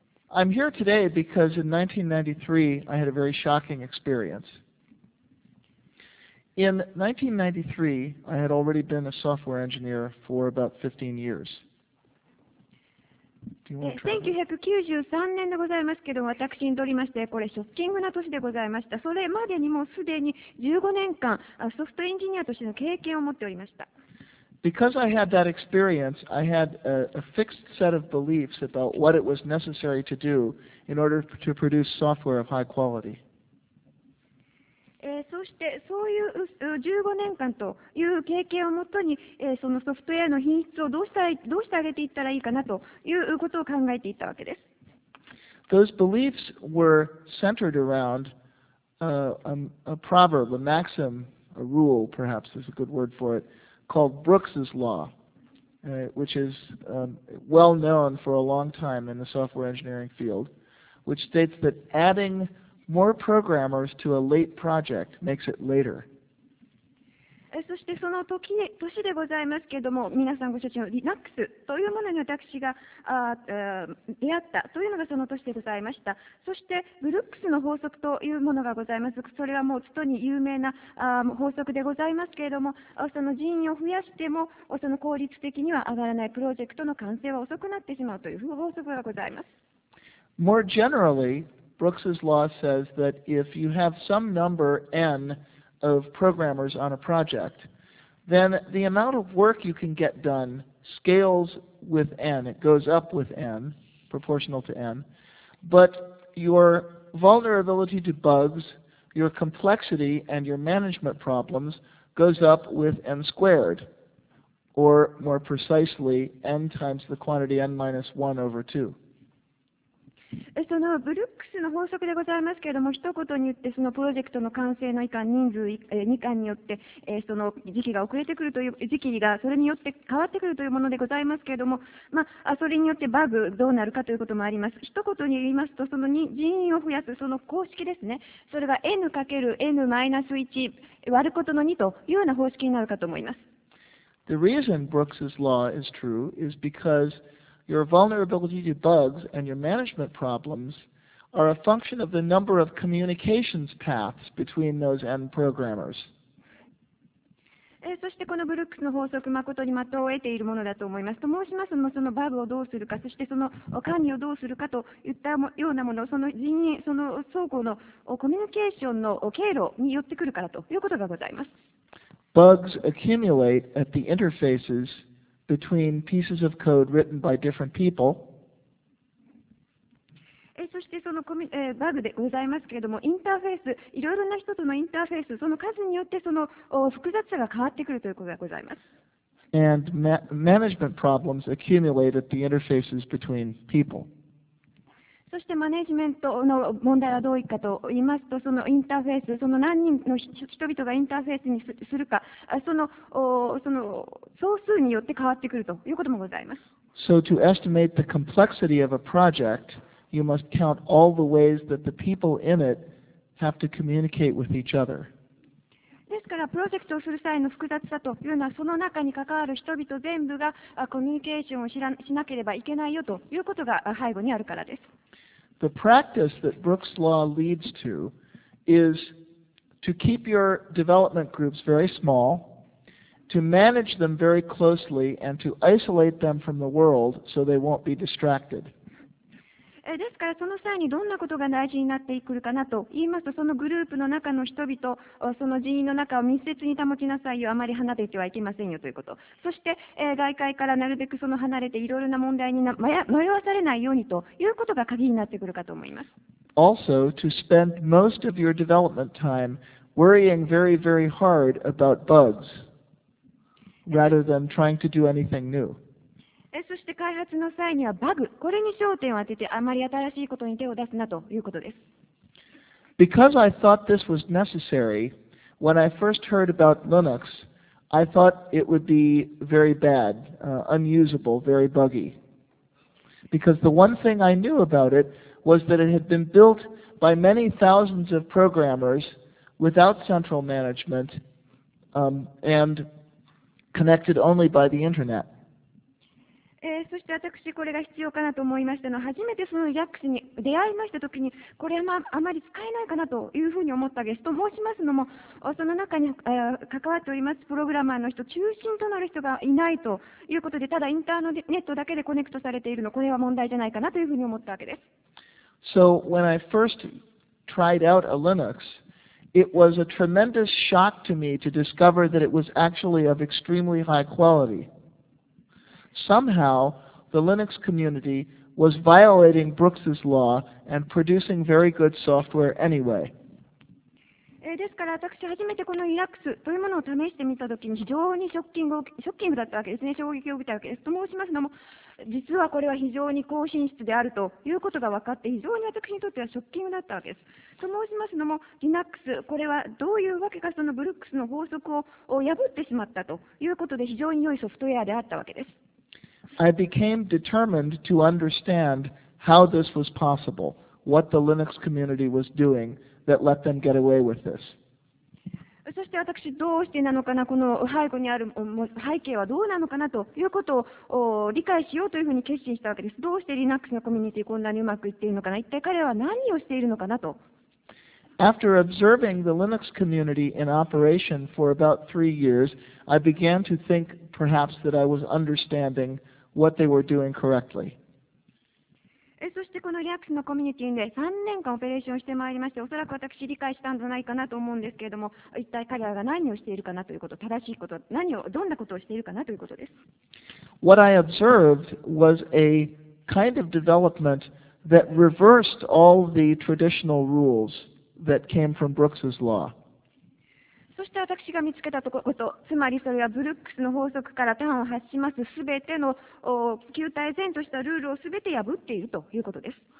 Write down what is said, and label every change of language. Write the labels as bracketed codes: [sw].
[en] I'm here today because in 1993 I had a very shocking experience. In 1993 I had already been a software engineer for about 15 years. [ja] 1993年でございますけど、私にとりまして、これ、ショッキングな年でございました。それまでにもすでに15年間、ソフトエンジニアとしての経験を持っておりました。 [en] Because I had that experience, I had a fixed set of beliefs about what it was necessary to do in order to produce software of high quality. [ja] そしてそういう15年間という経験をもとに、そのソフトウェアの品質をどうして上げていったらいいかなということを考えていたわけです。 [en] Those beliefs were centered around a proverb, a maxim, a rule, perhaps is a good word for it, called Brooks's Law, which is well known for a long time in the software engineering field, which states that addingMore programmers to a late project makes it later. [ja] そしてその年でございますけれども、皆さんご承知の Linux というものに私が出会ったというのがその年でございました。そしてブルックスの法則というものがございます。それはもう人に有名な法則でございますけれども、その人員を増やしてもその効率的には上がらないプロジェクトの完成は遅くなってしまうという法則がございます。 [en] More generally,Brooks's law says that if you have some number n of programmers on a project, then the amount of work you can get done scales with n. It goes up with n, proportional to n. But your vulnerability to bugs, your complexity, and your management problems goes up with n squared, or more precisely, n times the quantity n minus 1 over 2. [ja] そのブルックスの法則でございますけれども、一言に言って、そのプロジェクトの完成の人数2巻によって、その時期が遅れてくるという、時期がそれによって変わってくるというものでございますけれども、まあ、それによってバグどうなるかということもあります。一言に言いますと、その人員を増やす、その公式ですね、それが n×n-1 割ることの2というような方式になるかと思います。 [en] The reason Brooks's law is true is because. Your vulnerability to bugs and your management problems are a function of the number of communications paths between those end programmers. [ja] そしてこのブルックスの法則、誠に的を得ているものだと思います。と申しますのも、そのバグをどうするか、そしてその管理をどうするかといったようなもの、その人員、その相互のコミュニケーションの経路によってくるからということがございます。 [en] Bugs accumulate at the interfacesBetween pieces of code written by different people. [ja] そしてそのバグでございますけれども、インターフェース、いろいろな人とのインターフェース、その数によってその複雑さが変わってくるということがございます。 [en] And management problems accumulate at the interfaces between people. [ja] そしてマネジメントの問題はどういかと言いますと、そのインターフェース、その何人の人々がインターフェースにするか、その総数によって変わってくるということもございます。 [en] So to estimate the complexity of a project, you must count all the ways that the people in it have to communicate with each other. [ja] ですから、プロジェクトをする際の複雑さというのは、その中に関わる人々全部がコミュニケーションをしなければいけないよということが背後にあるからです。 [en] The practice that Brooks' law leads to is to keep your development groups very small, to manage them very closely, and to isolate them from the world so they won't be distracted. [ja] ですからその際にどんなことが大事になってくるかなと言いますと、そのグループの中の人々、その人員の中を密接に保ちなさいよ、あまり離れてはいけませんよということ、そして外界からなるべくその離れていろいろな問題に迷わされないようにということが鍵になってくるかと思います。 [en] Also, to spend most of your development time worrying very, very hard about bugs rather than trying to do anything new. [ja] そして開発の際にはバグ、これに焦点を当てて、あまり新しいことに手を出すなということです。 [en] Because I thought this was necessary, when I first heard about Linux, I thought it would be very bad, unusable, very buggy. Because the one thing I knew about it was that it had been built by many thousands of programmers without central management, and connected only by the internet. [ja] そして私これが必要かなと思いましたの、初めてそのヤックスに出会いましたときに、これはあまり使えないかなというふうに思ったわけです。と申しますのも、その中に、関わっておりますプログラマーの人、中心となる人がいないということで、ただインターネットだけでコネクトされているの、これは問題じゃないかなというふうに思ったわけです。 [en] So when I first tried out a Linux, it was a tremendous shock to me to discover that it was actually of extremely high quality. Somehow, the Linux community was violating Brooks's law and producing very good software anyway. [ja] ですから私初めてこの Linux というものを試してみたときに非常にショッキングだったわけですね。衝撃を受けたわけです。と申しますのも、実はこれは非常に高品質であるということが分かって非常に私にとってはショッキングだったわけです。と申しますのも、Linux、これはどういうわけかそのブルックスの法則を破ってしまったということで非常に良いソフトウェアであったわけです。 [en] I became determined to understand how this was possible, what the Linux community was doing that let them get away with this. [ja] そして私どうしてなのかな、この背後にある背景はどうなのかなということを理解しようというふうに決心したわけです。どうして Linux のコミュニティこんなにうまくいっているのかな、一体彼は何をしているのかなと。 [en] After observing the Linux community in operation for about 3 years, I began to think perhaps that I was understanding what they were doing correctly. [ja] そしてこの Linux のコミュニティで3年間オペレーションしてまいりまして、おそらく私理解したんじゃないかなと思うんですけれども、一体彼らが何をしているかなということ、正しいこと、どんなことをしているかなということです。 [en] What I observed was a kind of development that reversed all the traditional rules. That came from Brooks's law. [ja] そして私が見つけたこと、つまりそれはブルックスの法則から端を発しますすべての旧態前としたルールをすべて破っているということです。